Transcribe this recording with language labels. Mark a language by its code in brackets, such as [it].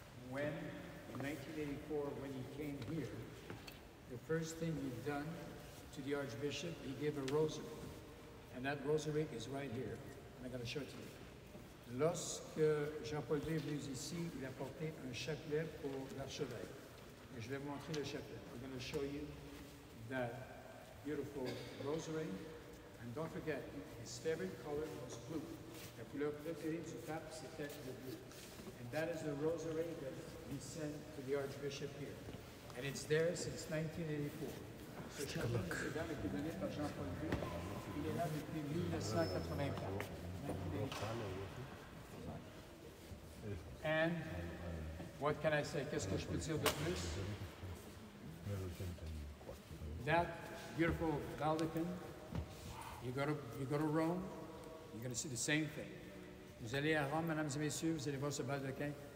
[en] When, in 1984, when he came here, the first thing he'd done to the Archbishop, he gave a rosary. And that rosary is right here. And I'm going to show it to you. [fr] Lorsque Jean-Paul II est venu ici, il a porté un chapelet pour l'archevêque. Et je vais vous montrer le chapelet. [en] I'm going to show you that beautiful rosary. And don't forget, his favorite color was blue. [fr] La couleur préférée du pape, c'était le bleu. [en] And that is the rosary that he sent to the Archbishop here. And it's there since 1984. [fr] Ce chapelet de Notre-Dame a été donné par Jean-Paul II. Il est là depuis 1984. [en] And what can I say? [fr] Qu'est-ce que je peux dire de plus? [en] That beautiful Vatican. You go to Rome, you're going to see the same thing. [fr] Vous allez à Rome, mesdames et messieurs, vous allez voir ce Vatican.